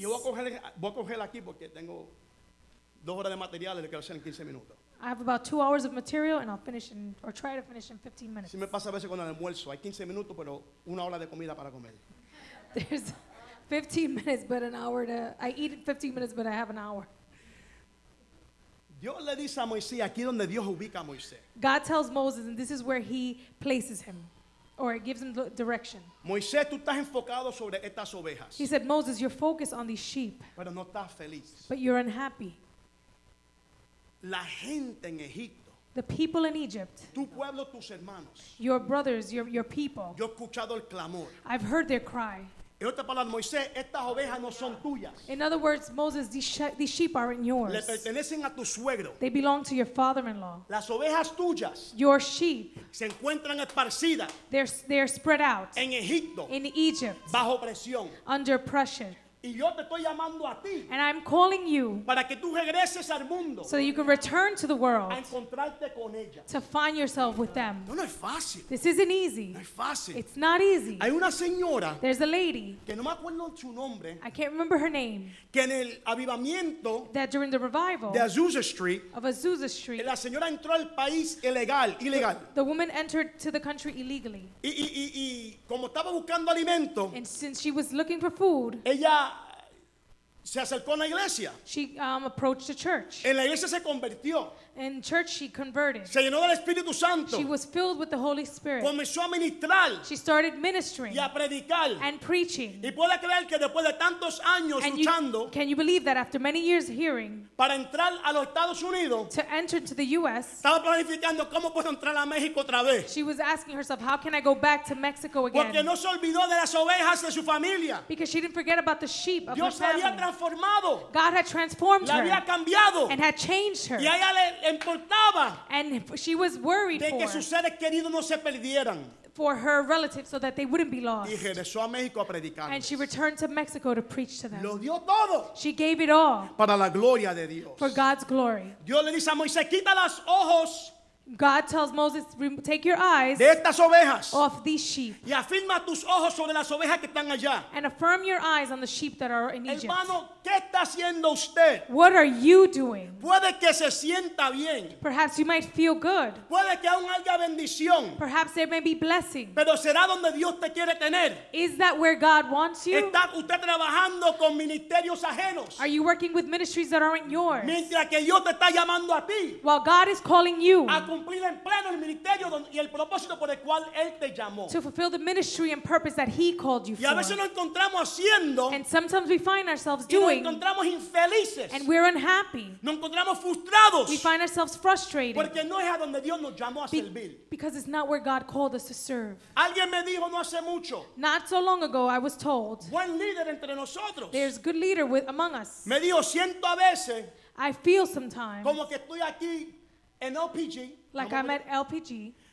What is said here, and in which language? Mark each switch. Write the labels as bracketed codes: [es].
[es] Yo voy a coger aquí porque tengo 2 horas de material y lo quiero hacer en 15 minutos. [en] I have about 2 hours of material and I'll finish in, or try to finish in 15 minutes. [es] Si me pasa a veces con el almuerzo. Hay 15 minutos, pero una hora de comida para comer. [en] There's 15 minutes, but an hour to. I eat in 15 minutes, but I have an hour. [es] Dios le dice a Moisés, aquí donde Dios ubica a Moisés. [en] God tells Moses, and this is where he places him, or it gives him direction. [es] Moisés, tú estás enfocado sobre estas ovejas. [en] He said, Moses, you're focused on these sheep. [es] Pero no estás feliz. [en] But you're unhappy. [es] La gente en Egipto. [en] The people in Egypt, [es] tu pueblo, tus hermanos. [en] Your brothers, your people. [es] Yo he escuchado el clamor. [en] I've heard their cry. [es] En otras palabras, Moisés, estas ovejas no son tuyas. [en] In other words, Moses, these sheep aren't yours. [es] Le pertenecen a tu suegro. [en] They belong to your father-in-law. [es] Las ovejas tuyas. [en] Your sheep. [es] Se encuentran esparcidas. [en] They're spread out. [es] En Egipto. [en] In Egypt. [es] Bajo presión. [en] Under pressure. [es] Y yo te estoy llamando a ti. [en] And I'm calling you. [es] Para que tú regreses al mundo. [en] So that you can return to the world. [es] A encontrarte con ellas. [en] To find yourself with them. [es] No es fácil. [en] This isn't easy. [es] No es fácil. [en] It's not easy. [es] Hay una señora. [en] There's a lady. [es] Que no me acuerdo su nombre. [en] I can't remember her name. [es] Que en el avivamiento. [en] That during the revival. [es] De Azusa Street. [en] Of Azusa Street. [es] La señora entró al país ilegal. Ilegal. [en] The woman entered to the country illegally. [es] Y como estaba buscando alimento. [en] And since she was looking for food. [es] Ella se acercó a la iglesia. [en] She approached the church. [es] En la iglesia se convirtió. [en] In church she converted. [es] Se llenó del Espíritu Santo. [en] She was filled with the Holy Spirit. [es] Comenzó a ministrar. [en] She started ministering. [es] Y a predicar. [en] And preaching. [es] Y puede creer que después de tantos años [en] and [es] luchando. [en] You, can you believe that after many years hearing. [es] Para entrar a los Estados Unidos. [en] To enter to the U.S. [es] Estaba planificando cómo puedo entrar a México otra vez. [en] She was asking herself, how can I go back to Mexico again? [es] Porque no se olvidó de las ovejas de su familia. [en] Because she didn't forget about the sheep of [es] Dios [en] her family. [es] Había transformado. [en] God had transformed her. [es] La había cambiado. [en] And had changed her. [es] Y a ella le importaba. [en] And she was worried [es] de que [en] for [es] sus seres queridos no se perdieran. [en] For her relatives so that they wouldn't be lost. [es] Y regresó a México a predicarles. [en] And she returned to Mexico to preach to them. [es] Lo dio todo. [en] She gave it all. [es] Para la gloria de Dios. [en] For God's glory. [es] Dios le dice a Moisés, quita los ojos. [en] God tells Moses, take your eyes [es] de estas ovejas [en] off these sheep. [es] Y afirma tus ojos sobre las ovejas que están allá. [en] And affirm your eyes on the sheep that are in Egypt. [es] Hermano, ¿qué está haciendo usted? [en] What are you doing? [es] Puede que se sienta bien. [en] Perhaps you might feel good. [es] Puede que aún haya bendición. [en] Perhaps there may be blessing. [es] Pero será donde Dios te quiere tener. [en] Is that where God wants you? [es] ¿Está usted trabajando con ministerios ajenos? [en] Are you working with ministries that aren't yours? [es] Mientras que Dios te está llamando a ti. [en] While God is calling you. [es] Cumplir en pleno el ministerio y el propósito por el cual él te llamó. [en] To fulfill the ministry and purpose that he called you for. [es] Y a veces nos encontramos haciendo. [en] And sometimes we find ourselves [es] y [en] doing. [es] Y nos encontramos infelices. [en] And we're unhappy. [es] Nos encontramos frustrados. [en] We find ourselves frustrated. [es] Porque no es a donde Dios nos llamó a servir. [en] Because it's not where God called us to serve. [es] Alguien me dijo no hace mucho. [en] Not so long ago, I was told. [es] Buen líder entre nosotros. [en] There's good leader with among us. [es] Me dijo siento a veces. [en] I feel sometimes. [es] Como que estoy aquí. En LPG, [en] like I'm at LPG,